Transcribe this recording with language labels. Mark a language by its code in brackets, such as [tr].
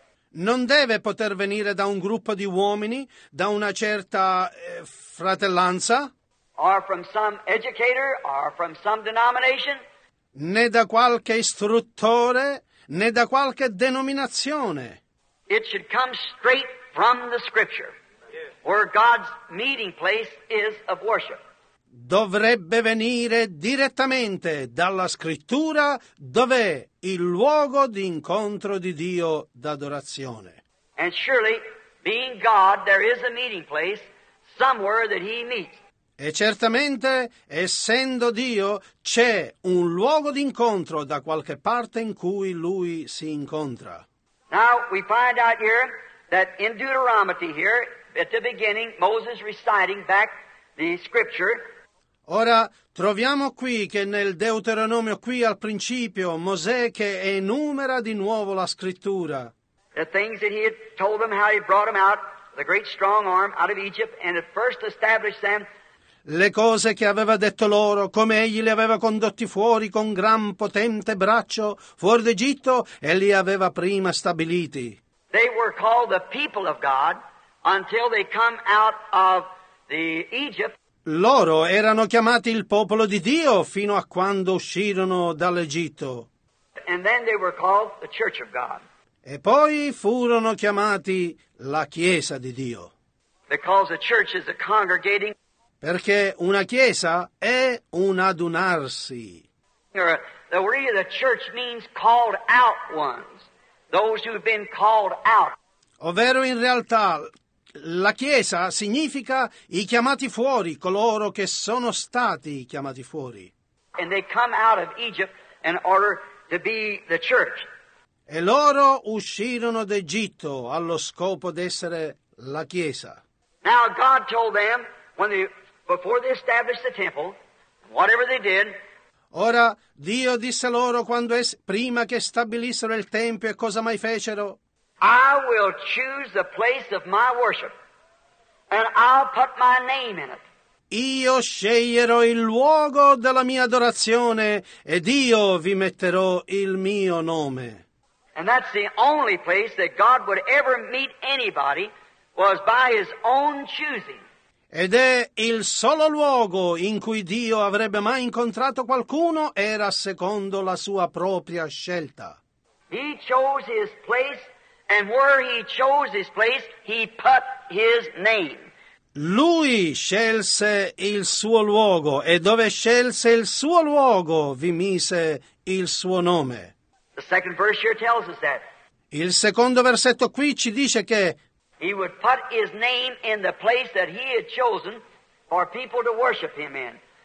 [it] Non deve poter venire da un gruppo di uomini, da una certa fratellanza, [en] or from some educator, or from some denomination, [it] né da qualche istruttore, né da qualche denominazione. [en] It should come straight from the scripture, where God's meeting place is of worship. [it] Dovrebbe venire direttamente dalla scrittura, dov'è il luogo di incontro di Dio d'adorazione. [en] And surely, being God, there is a meeting place somewhere that He meets. [it] E certamente, essendo Dio, c'è un luogo d'incontro da qualche parte in cui Lui si incontra. [en] Now we find out here that in Deuteronomy here, at the beginning, Moses reciting back the scripture. [it] Ora troviamo qui che nel Deuteronomio, qui al principio, Mosè che enumera di nuovo la scrittura. [en] The things that he had told them, how he brought them out, the great strong arm out of Egypt, and at first established them. [it] Le cose che aveva detto loro, come egli li aveva condotti fuori con gran potente braccio fuori d'Egitto e li aveva prima stabiliti. [en] They were called the people of God until they come out of the Egypt. [it] Loro erano chiamati il popolo di Dio fino a quando uscirono dall'Egitto. [en] And then they were called the church of God. [it] E poi furono chiamati la Chiesa di Dio. [en] Because the church is a congregating. [it] Perché una chiesa è un adunarsi. [en] The word of the church means called out ones, those who've been called out. [it] Ovvero in realtà la chiesa significa i chiamati fuori, coloro che sono stati chiamati fuori. [en] And they come out of Egypt in order to be the church. [it] E loro uscirono d'Egitto allo scopo d'essere la chiesa. [en] Now God told them when they before they established the temple, whatever they did. [it] Ora Dio disse loro quando prima che stabilissero il tempio e cosa mai fecero. [en] I will choose the place of my worship, and I'll put my name in it. [it] Io sceglierò il luogo della mia adorazione ed io vi metterò il mio nome. [en] And that's the only place that God would ever meet anybody was by His own choosing. [it] Ed è il solo luogo in cui Dio avrebbe mai incontrato qualcuno era secondo la sua propria scelta. [en] He chose his place, and where he chose his place, he put his name. [it] Lui scelse il suo luogo, e dove scelse il suo luogo vi mise il suo nome. [en] The second verse here tells us that. [it] Il secondo versetto qui ci dice che [en] He would put his name in the place that he had chosen for people to worship him in.